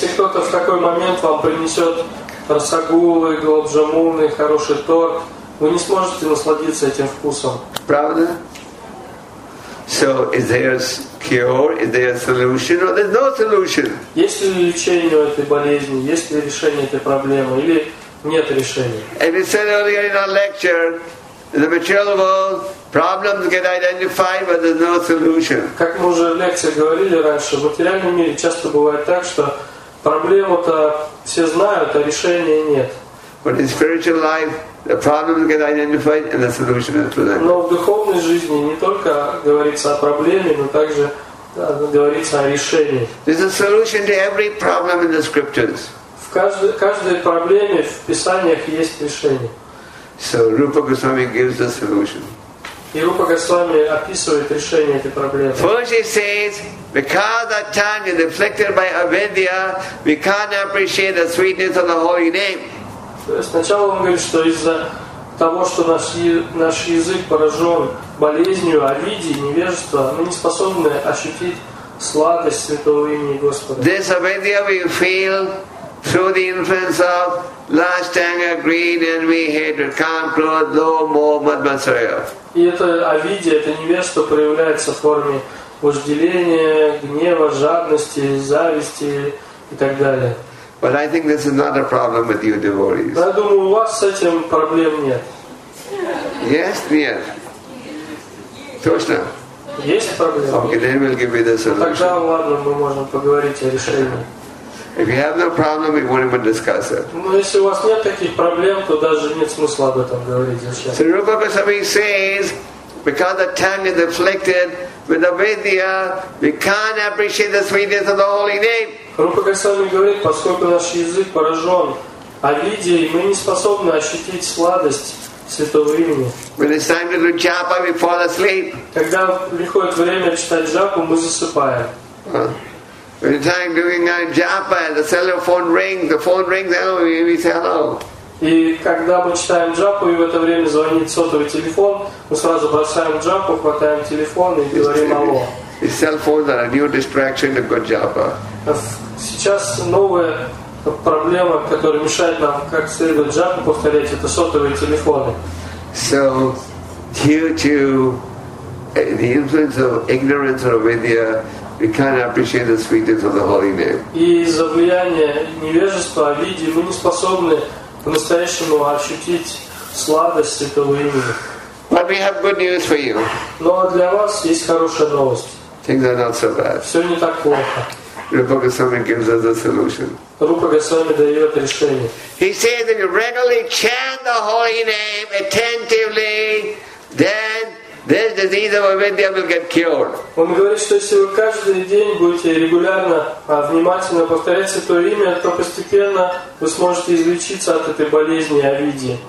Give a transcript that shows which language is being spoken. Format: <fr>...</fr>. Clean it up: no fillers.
<ru>Если кто-то в такой момент вам принесет рассагулы, гулаб джамуны, хороший торт, вы не сможете насладиться этим вкусом. Правда?</ru> <en>So is there a cure? Is there a solution? Or there's no solution?</en> <ru>Есть ли лечение у этой болезни? Есть ли решение этой проблемы? Или нет решения.</ru> <en>As we said earlier in our lecture, in the material world, problems get identified, but there's no solution.</en> <ru>Как мы уже в лекции говорили раньше, в материальном мире часто бывает так, что проблему-то все знают, а решения нет.</ru> <en>But in spiritual life, the problems get identified and the solution is presented.</en> <ru>Но в духовной жизни не только говорится о проблеме, но также говорится о решении.</ru> <en>There's a solution to every problem in the scriptures.</en> <ru>Каждой проблеме в Писаниях есть решение.</ru> <en>So Rupa Goswami gives the solution.</en> <ru>И Рупа Госвами описывает решение этой проблемы.</ru> <en>First he says, because our tongue is afflicted by avidya, we can't appreciate the sweetness of the holy name.</en> <ru>Сначала он говорит, что из-за того, что наш язык поражен болезнью, авидии, невежества, мы не способны ощутить сладость святого имени Господа.</ru> <en>This avidya we feel through the influence of lust, anger, greed, envy, hatred, conclude, low, more, madmasraya.</en> <ru>И это авидия, это невежество проявляется в форме вожделения, гнева, жадности, зависти и так далее.</ru> <en>But I think this is not a problem with you devotees.</en> <ru>Я думаю, у вас с этим проблем нет.</ru> <en>Yes,</en> <ru>нет. Точно. Есть проблема.</ru> <en>Okay, then we'll give you the solution.</en> <ru>Тогда, ладно, мы можем поговорить о решении.</ru> <en>If you have no problem, we won't even discuss it.</en> <ru>Но если у вас нет таких проблем, то даже нет смысла об этом говорить.</ru> <en>So Rupa Goswami says, because the tongue is afflicted with avidya, we can't appreciate the sweetness of the holy name.</en> <ru>Rupa Goswami говорит, поскольку наш язык поражен авидьей, мы не способны ощутить сладость святого имени.</ru> <en>When it's time to do japa, we fall asleep.</en> <ru>Когда приходит время читать джапу, мы засыпаем.</ru> <en>Every time doing a japa, the cellphone rings. The phone rings. Hello, we say hello.</en> <ru>И когда мы читаем джапу, и в это время звонит сотовый телефон, мы сразу бросаем джапу, хватаем телефон и говорим алло.</ru> <en>The cell phones are a new distraction to good japa.</en> <ru>Сейчас новая проблема, которая мешает нам как следует джапу повторять, это сотовые телефоны.</ru> <en>So due to the influence of ignorance or avidya, we can't appreciate the sweetness of the holy name.</en> <ru>И из-за влияния невежества, авидии, мы не способны по-настоящему ощутить сладость этого имени.</ru> <en>But we have good news for you.</en> <ru>Но для вас есть хорошая новость.</ru> <en>Things are not so bad.</en> <ru>Все не так плохо.</ru> <en>Rupa Goswami gives us a solution.</en> <ru>Rupa Goswami дает решение.</ru> <en>He says that if you regularly chant the holy name attentively, then this disease of Avidya will get cured.</en> <ru>Он говорит, что если вы каждый день будете регулярно, внимательно повторять Святое Имя, то постепенно вы сможете излечиться от этой болезни Авидьи.</ru>